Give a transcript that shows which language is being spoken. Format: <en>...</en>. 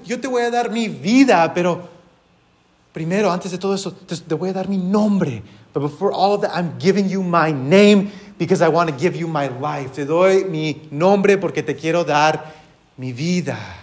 <es>Yo te voy a dar mi vida, pero primero, antes de todo eso, te voy a dar mi nombre.</es> <en>But before all of that, I'm giving you my name because I want to give you my life.</en> <es>Te doy mi nombre porque te quiero dar mi vida.</es>